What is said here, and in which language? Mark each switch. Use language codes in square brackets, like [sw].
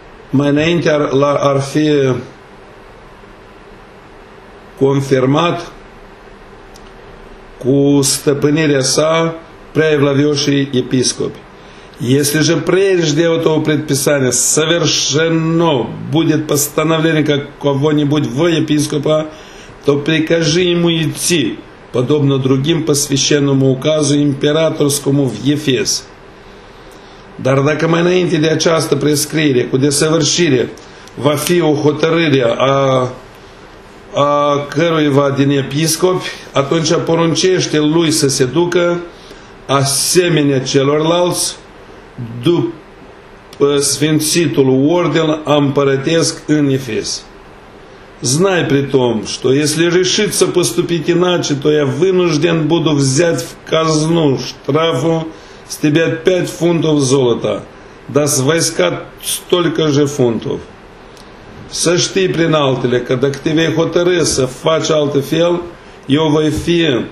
[ro] mai înainte ar fi confirmat cu stăpânirea sa preaevlavioșii episcopi. [ru] Если же прежде этого предписания совершено будет постановление какого-нибудь воепископа, то прикажи ему идти, подобно другим по священному указу императорскому в Ефес. [ro] Dar dacă mai înainte de această prescriere, cu desăvârșire, va fi o hotărâre a căruiva din episcopi, atunci poruncește lui să se ducă asemenea celorlalți după Sfințitul Orden împărătesc în Efes. [ru] Знай при том, что если решится поступить иначе, то я вынужден буду взять в казну штрафу с тебя 5 фунтов золота, да с войска столько же фунтов. [ro] Să știi, prin altele, că dacă te vei hotărâ să faci altă fel, eu voi fi